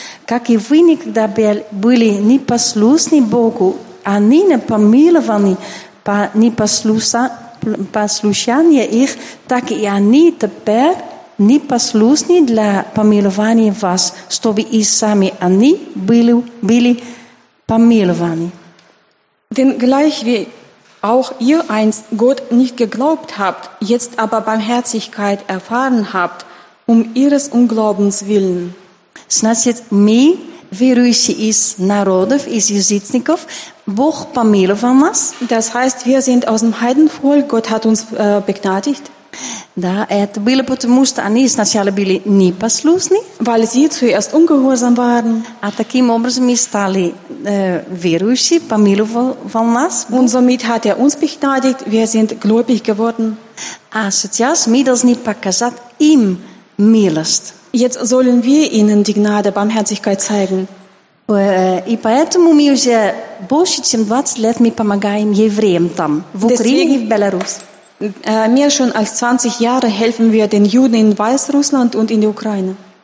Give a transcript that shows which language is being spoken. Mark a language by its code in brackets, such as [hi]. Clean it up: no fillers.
[ru] Как и вы никогда были непослушны Богу, а ныне помилованы по непослушанию их, так и они теперь непослушны для помилования вас, чтобы и сами они были помилованы. [de] Denn gleich wie auch ihr einst Gott nicht geglaubt habt, jetzt aber Barmherzigkeit erfahren habt, ihres Unglaubens willen. [ru] Значит, мы, верующие из народов, из язычников, Бог помиловал нас. [de] Das heißt, wir sind aus dem Heidenvolk, Gott hat uns begnadigt. [ru] Да, это было потому, что они сначала были непослушны. [de] Weil sie zuerst ungehorsam waren. [ru] А таким образом мы стали верующие, помиловал нас. [de] Und somit hat uns begnadigt, wir sind gläubig geworden. [ru] А сейчас мы должны показать им милост. [de] Jetzt sollen wir ihnen die Gnade, Barmherzigkeit zeigen. [ru] И поэтому мы уже больше чем 20 лет мы помогаем евреям там, в Украине и в Беларуси. [de] Mehr schon als 20 Jahre helfen wir den Juden in Weißrussland und in der Ukraine.